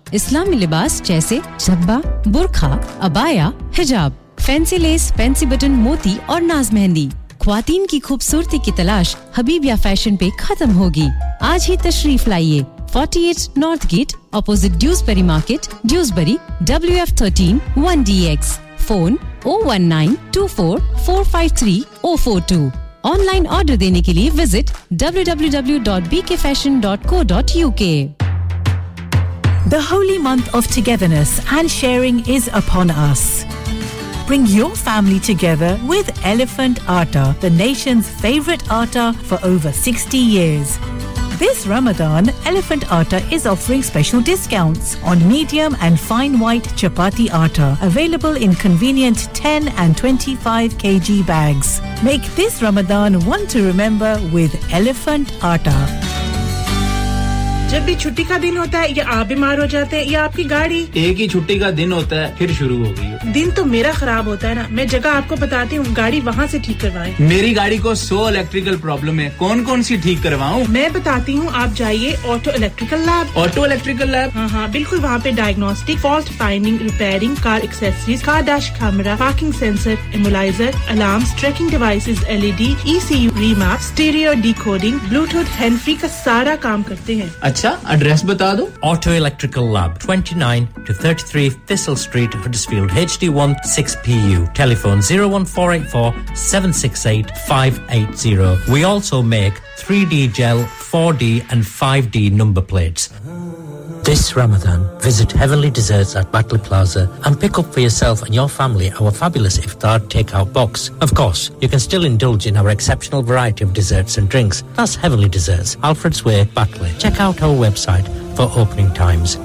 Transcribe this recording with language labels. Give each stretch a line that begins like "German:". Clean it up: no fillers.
Hindi: इस्लामी लिबास जैसे जब्बा बुर्का अबाया हिजाब फैंसी लेस फैंसी बटन मोती और नाज मेहंदी ख्वातीन की खूबसूरती की तलाश हबीबिया फैशन पे खत्म होगी आज ही तशरीफ लाइए 48 north gate opposite Dewsbury market Dewsbury WF13 1DX phone 01924453042 online order देने के लिए visit www.bkfashion.co.uk
English: The holy month of togetherness and sharing is upon us. Bring your family together with Elephant Atta, the nation's favorite atta for over 60 years. This Ramadan, Elephant Atta is offering special discounts on medium and fine white chapati atta, available in convenient 10 and 25 kg bags. Make this Ramadan one to remember with Elephant Atta.
Hindi: जब भी छुट्टी का दिन होता है या आप बीमार हो जाते हैं या आपकी गाड़ी एक ही छुट्टी का दिन होता है फिर शुरू हो गई दिन तो मेरा खराब होता है ना मैं जगह आपको बताती हूँ गाड़ी वहाँ से ठीक करवाएं मेरी गाड़ी को 100 इलेक्ट्रिकल प्रॉब्लम है कौन कौन सी ठीक करवाऊँ मैं बताती हूँ आप जाइए auto electrical lab auto electrical lab हाँ हाँ बिल्कुल वहाँ पे diagnostic fault finding repairing car accessories car dash camera parking sensor immobiliser alarm trekking devices LED ECU remap stereo decoding Bluetooth hand free का सारा काम करते हैं अच्छा एड्रेस बता दो
English: Auto electrical lab 29-33 फिसल street Huddersfield HD16PU telephone 01484-768-580 we also make 3D gel 4D and 5D number plates This Ramadan, visit Heavenly Desserts at Batley Plaza and pick up for yourself and your family our fabulous iftar takeout box. Of course, you can still indulge in our exceptional variety of desserts and drinks. That's Heavenly Desserts, Alfred's Way, Batley. Check out our website for opening times.